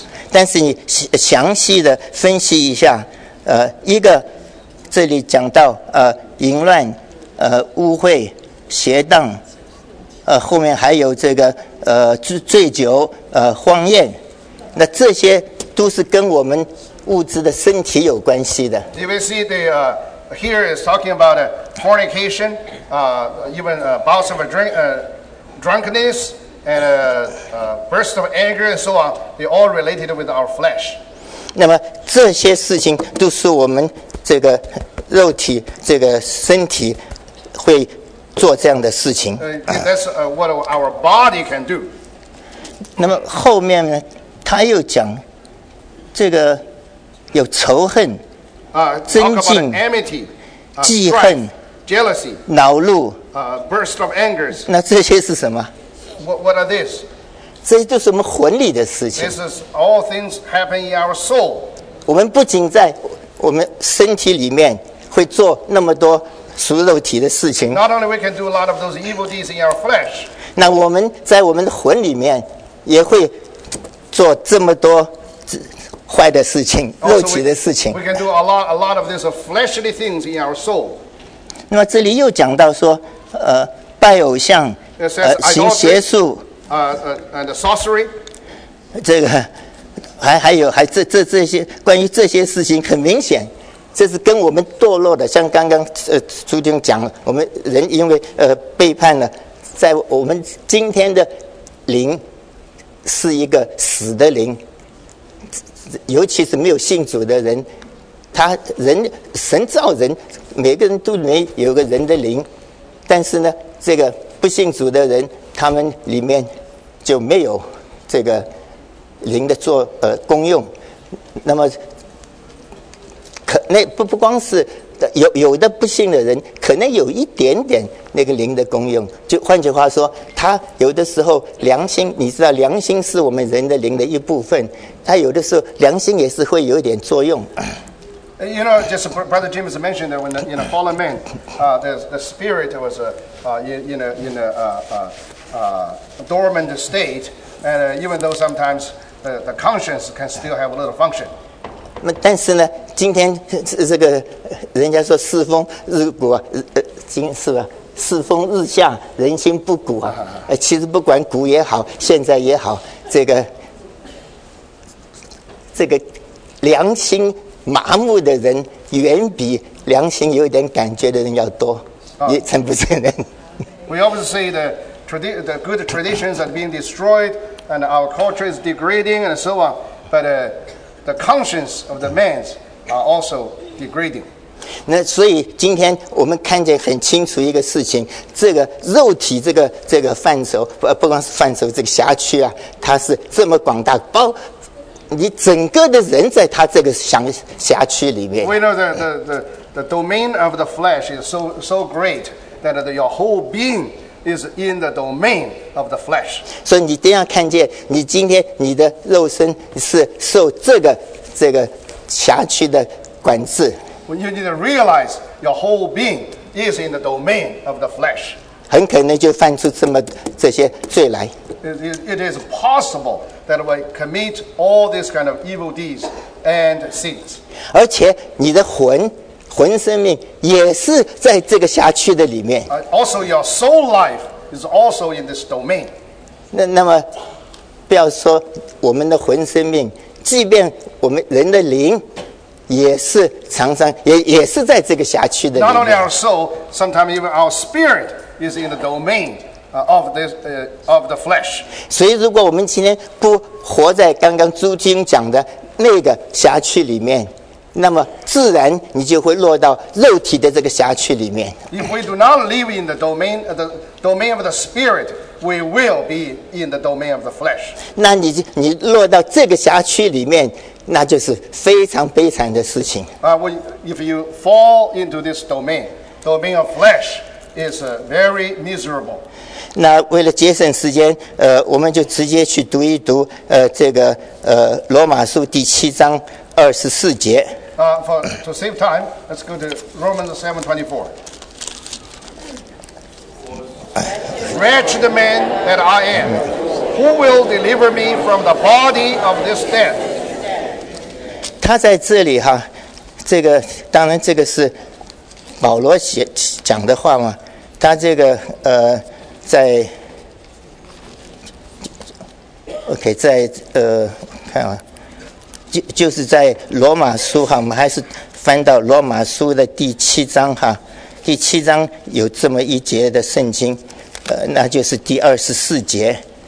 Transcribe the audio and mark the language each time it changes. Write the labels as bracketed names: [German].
[Chinese] 但是你详细的分析一下，一个这里讲到淫乱、污秽、邪荡，后面还有这个醉酒荒宴，那这些都是跟我们物质的身体有关系的。 [English] You will see the, here is talking about fornication, even bouts of drunkenness, and bursts of anger, and so on. They all related with our flesh. [Chinese] 那么这些事情都是我们这个肉体、这个身体会做这样的事情。 [English] That's what our body can do. [Chinese] 那么后面呢，他又讲这个。有仇恨、尊敬、 [English] amity, [Chinese] 记恨、 [English] jealousy, [Chinese] 恼怒、 [English] burst of angers. [Chinese] 那这些是什么？ [English] What are these? [Chinese] 这些都是我们魂里的事情。 [English] This is all things happen in our soul. [Chinese] 我们不仅在我们身体里面会做那么多属肉体的事情。 [English] Not only we can do a lot of those evil deeds in our flesh. [Chinese] 那我们在我们的魂里面也会做这么多。坏的事情，肉体的事情。 [English] We can do a lot of these fleshly things in our soul. [Chinese] 那么这里又讲到说，拜偶像， [English] says, [Chinese] 行邪术， [English] and sorcery. [Chinese] 这个还有这些关于这些事情，很明显，这是跟我们堕落的，像刚刚朱丁讲了，我们人因为背叛了，在我们今天的灵是一个死的灵。尤其是没有信主的人，他人神造人，每个人都没有个人的灵，但是呢，这个不信主的人，他们里面就没有这个灵的作功用。那么，可那不光是有的不信的人，可能有一点点那个灵的功用。就换句话说，他有的时候良心，你知道，良心是我们人的灵的一部分。他有的时候良心也是会有点作用。 [English] You know, just Brother James mentioned that when the, you know, fallen man, the spirit was in a dormant state, and even though sometimes the conscience can still have a little function. [Chinese] 那但是呢，今天这个人家说世风日鼓啊，今是吧？世风日下，人心不古啊。其实不管古也好，现在也好，这个。这个良心麻木的人远比良心有点感觉的人要多，也承不承认。 [English] We always say the good traditions are being destroyed and our culture is degrading and so on, but the conscience of the men are also degrading. [Chinese] 那所以今天我们看见很清楚一个事情，这个肉体这个范畴，不光是范畴，这个辖区啊，它是这么广大，包你整个的人在他这个辖区里面。 [English] We know the domain of the flesh is so great that your whole being is in the domain of the flesh. [Chinese] 所以你这样看见，你今天你的肉身是受这个辖区的管制。 [English] When you need to realize your whole being is in the domain of the flesh. [Chinese] 很可能就犯出这些罪来。 [English] It is possible. That we commit all these kind of evil deeds and sins. [Chinese] 而且你的魂生命也是在这个辖区的里面。 [English] Also, your soul life is also in this domain. [Chinese] 那么，不要说我们的魂生命，即便我们人的灵，也是常常也是在这个辖区的里面。 [English] Not only our soul, sometimes even our spirit is in the domain. Of the flesh. [Chinese] 所以，如果我们今天不活在刚刚朱经讲的那个辖区里面，那么自然你就会落到肉体的这个辖区里面。 [English] If we do not live in the domain of the spirit, we will be in the domain of the flesh. [Chinese] 那你落到这个辖区里面，那就是非常悲惨的事情。 [English] If you fall into this domain of flesh, is very miserable. [Chinese] 那为了节省时间，我们就直接去读一读，这个罗马书第七章二十四节。 [English] To save time, let's go to Romans 7:24. Wretched man that I am, who will deliver me from the body of this death? [Chinese] 他在这里哈，这个当然这个是保罗讲的话嘛，他这个在 OK， 在看啊，就是在罗马书哈，我们还是翻到罗马书的第七章哈，第七章有这么一节的圣经，那就是第24节。